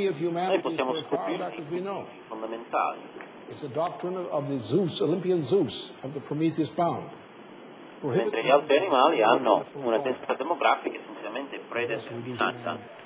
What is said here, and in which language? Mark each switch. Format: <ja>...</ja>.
<it>Noi possiamo scoprire i fondamentali.</it> <en>It's the doctrine of the Zeus, Olympian Zeus, of the Prometheus bound.</en> <it>Mentre gli altri animali hanno una densità demografica essenzialmente predeterminata.</it>